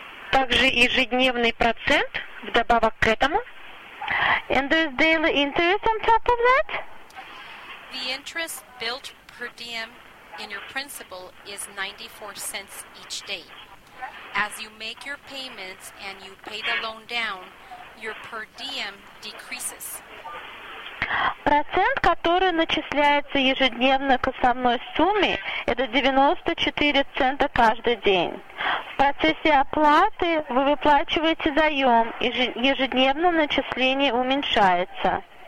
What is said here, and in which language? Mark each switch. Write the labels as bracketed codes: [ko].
[ru] Также ежедневный процент вдобавок к этому. [en] And there's daily interest on top of that? The interest built per diem in your principal is 94 cents each day. As you make your payments and you pay the loan down, your per diem decreases. [ru] Процент, который начисляется ежедневно к основной сумме, это 94 цента каждый день. В процессе оплаты вы выплачиваете заем, и ежедневно начисление уменьшается.